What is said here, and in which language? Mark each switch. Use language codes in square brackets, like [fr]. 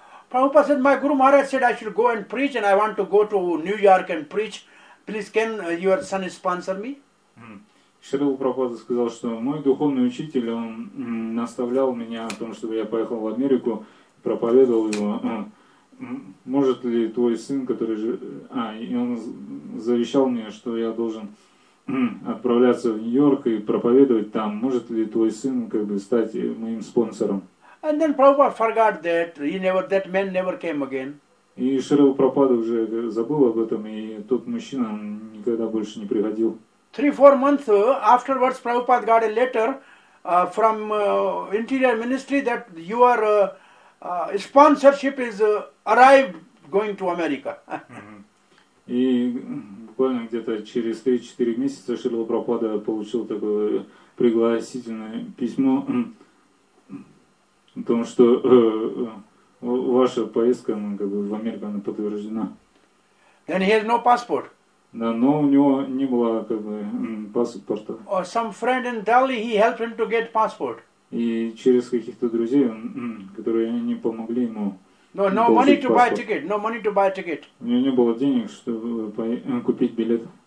[en] Prabhupada said, my Guru Maharaj said I should go and preach and I want to go to New York and preach, please can your son sponsor me? [ru] Шрила Прабхупада сказал, что мой духовный учитель, он наставлял меня о том, чтобы я поехал в Америку, проповедовал его. Может ли твой сын, который же... и он завещал мне, что я должен отправляться в Нью-Йорк и проповедовать там. Может ли твой сын как бы стать моим спонсором? [en] And then Prabhupada forgot that. That man never came again. [ru] И Шрила Прабхупада уже забыл об этом, и тот мужчина никогда больше не приходил. [en] 3-4 months afterwards, Prabhupada got a letter from Interior Ministry that your sponsorship is arrived going to America. [ru] И буквально где-то через 3-4 месяца Шрила Прабхупада получил такое пригласительное письмо о том, что ваша поездка, ну, как бы в Америку, она подтверждена. [en] Then he has no passport. [ru] Да, но у него не было как бы паспорта. [en] Or some friend in Delhi, he helped him to get passport. [ru] И через каких-то друзей, которые не помогли ему. [en] No money to buy ticket. No money to buy ticket. [ru] У него не было денег, чтобы купить билет.